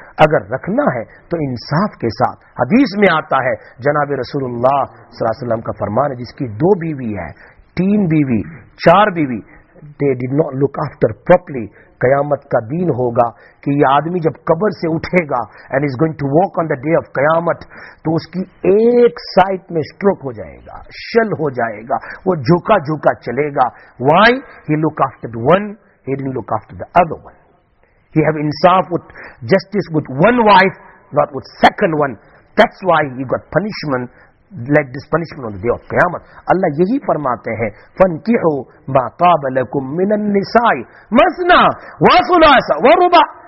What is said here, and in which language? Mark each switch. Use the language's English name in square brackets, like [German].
[Urdu] اگر رکھنا ہے تو انصاف کے ساتھ. حدیث میں آتا ہے جناب رسول اللہ صلی اللہ علیہ وسلم کا فرمان ہے, جس کی دو بیوی ہے, تین بیوی, چار بیوی, [English] they did not look after properly, [Urdu] قیامت کا دین ہوگا کہ یہ آدمی جب قبر سے اٹھے گا [English] and is going to walk on the day of قیامت, [Urdu] تو اس کی ایک سائٹ میں اسٹروک ہو جائے گا, شل ہو جائے گا, وہ جھکا جھکا چلے گا. [English] Why he look after the one, he did look after the other one. He have insaf with justice with one wife, not with second one. That's why he got punishment, like this punishment on the day of Qiyamah. [Urdu] Allah yehi farmate hai, [Arabic] فَانْكِحُوا مَا طَابَ لَكُم مِّنَ النِّسَائِ مَثْنَى وَثُلَاثَ وَرُبَعَ.